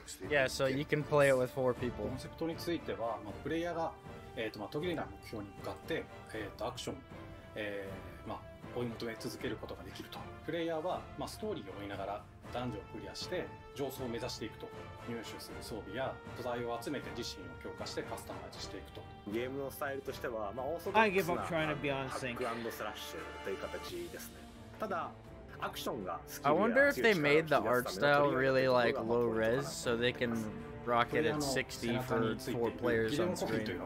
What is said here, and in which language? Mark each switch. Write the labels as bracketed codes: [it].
[en] Yeah, so you can play it with four people. [ja] コンセプトについては、まあ、プレイヤーが、途切れない目標に向かって、アクション、まあ、追い求め続けることができると。プレイヤーは、まあ、ストーリーを追いながら、ダンジョンをクリアして、上層を目指していくと。入手する装備や、素材を集めて自身を強化して、カスタマイズしていくと。ゲームのスタイルとしては、まあ、オーソドックスなハック&スラッシュという形ですね。ただ、 [en] I wonder if they made the art style really like low res so they can rock it at 60 for 4 players on screen.